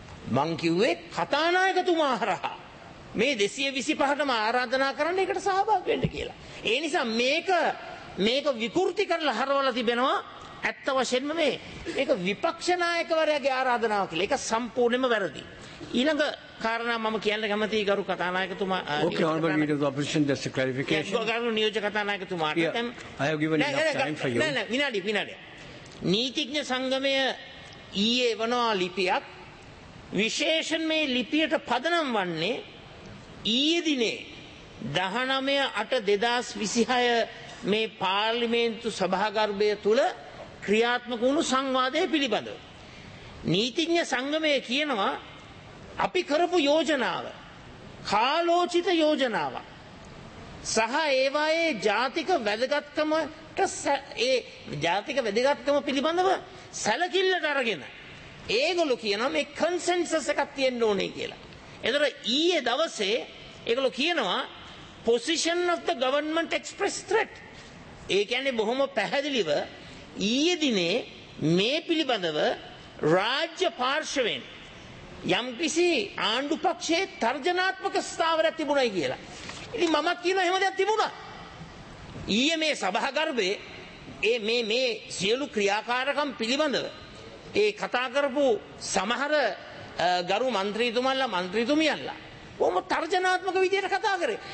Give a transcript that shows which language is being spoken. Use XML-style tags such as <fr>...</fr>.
<si>මං කිව්වේ කථානායකතුමා හරහා මේ 225ටම ආරාධනා කරන්න ඒකට සහභාගී වෙන්න කියලා. ඒ නිසා මේක විකෘති කරලා හරවලා තිබෙනවා. ඇත්ත වශයෙන්ම මේ ඒක විපක්ෂ නායකවරයාගේ ආරාධනාවක් කියලා. ඒක සම්පූර්ණයෙන්ම වැරදි. ඊළඟ කාරණා මම කියන්න කැමතියි ගරු කථානායකතුමා.</si> <en>Okay, honorable leader of the opposition, just a clarification.</en> <si>ගරු නියෝජ කථානායකතුමාට.</si> <en>I have given enough time for you.</en> <si>නෑ නෑ, විනාඩි. නීතිඥ සංගමය ඊයේ එවනවා ලිපියක්. විශේෂයෙන් මේ ලිපියට පදනම් වන්නේ ඊයේ දිනේ 19/8/2026 මේ පාර්ලිමේන්තු සභාගර්භය තුල ක්‍රියාත්මක වුණු සංවාදයේ පිළිබඳව. නීතිඥ සංගමය කියනවා අපි කරපු යෝජනාව කාලෝචිත යෝජනාවක් සහ ඒවායේ ජාතික වැදගත්කමට ඒ ජාතික වැදගත්කම පිළිබඳව සැලකිල්ලට අරගෙන ඒගොල්ලෝ කියනවා මේ කන්සෙන්සස් එකක් තියෙන්න ඕනේ කියලා. එතකොට ඊයේ දවසේ ඒගොල්ලෝ කියනවා</si> <en>position of the government express threat.</en> <si>ඒ කියන්නේ බොහොම පැහැදිලිව ඊයේ දිනේ මේ පිළිබඳව රාජ්‍ය පාර්ශවයෙන් යම්කිසි ආණ්ඩු පක්ෂයේ තර්ජනාත්මක ස්ථාවරයක් තිබුණයි කියලා. ඉතින් මමත් කියනවා එහෙම දෙයක් තිබුණා. ඊයේ මේ සභා ගර්භයේ ඒ මේ මේ සියලු ක්‍රියාකාරකම් පිළිබඳව ඒ කතා කරපු සමහර ගරු මන්ත්‍රීතුමන්ලා මන්ත්‍රීතුමියන්ලා බොහොම තර්ජනාත්මක විදිහට කතා කරේ.</si>